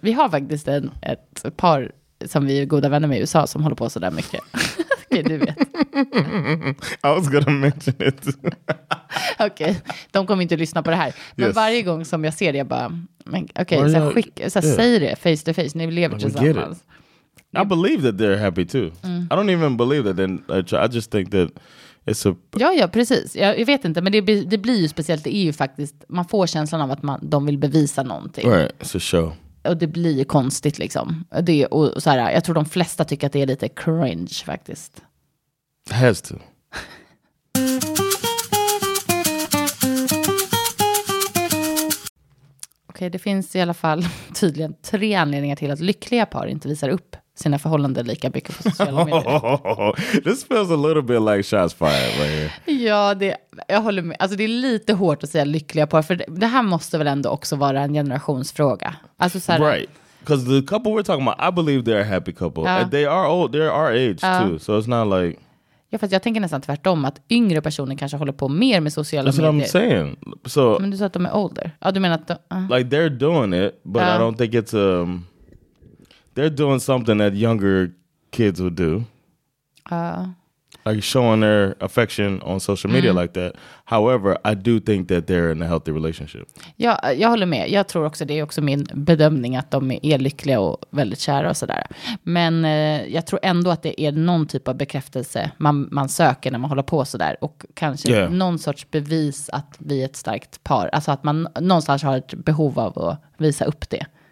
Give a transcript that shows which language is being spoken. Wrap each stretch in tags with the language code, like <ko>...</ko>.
<sv>Vi har faktiskt ett par som vi är goda vänner med i USA som håller på så där mycket. Okej, du vet.</sv> <en>I was gonna mention it.</en> <sv>Okej, de kommer inte att lyssna på det här. Men yes. Varje gång som jag ser det, jag bara, okej, okay, så skick, så yeah. Säg det</sv> <en>face to face.</en> <sv>Ni lever tillsammans.</sv> <en>I believe that they're happy too. Mm. I don't even believe that. I just think that it's a...</en> <sv>Ja, precis. Jag vet inte, men det blir ju speciellt. Det är ju faktiskt, man får känslan av att de vill bevisa någonting.</sv> <en>Right, it's a show.</en> <sv>Och det blir ju konstigt liksom. Det, och så här, jag tror de flesta tycker att det är lite cringe faktiskt.</sv> <en>It has to.</en> <sv>Okej, det finns i alla fall tydligen tre anledningar till att lyckliga par inte visar upp sina förhållanden lika mycket på sociala medier.</sv> <en>This feels a little bit like shots fired right here.</en> <sv>Ja, jag håller med. Alltså det är lite hårt att säga lyckliga par. För det här måste väl ändå också vara en generationsfråga. Alltså så här,</sv> <en>right. Because the couple we're talking about, I believe they're a happy couple. Ja. They are old, they're our age ja. Too. So it's not like...</en> <sv>Ja, fast jag tänker nästan tvärtom. Att yngre personer kanske håller på mer med sociala</sv> <en>That's That's what I'm saying. So,</en> <sv>men du sa att de är older. Ja, du menar att...</sv> <en>Like they're doing it, but ja. I don't think it's... They're doing something that younger kids would do. Like showing their affection on social media like that. However, I do think that they're in a healthy relationship.</en> <sv>Ja, jag håller med. Jag tror också, det är också min bedömning att de är lyckliga och väldigt kära och sådär. Men jag tror ändå att det är någon typ av bekräftelse man söker när man håller på sådär. Och kanske någon sorts bevis att vi är ett starkt par. Alltså att man någonstans har ett behov av att visa upp det.</sv>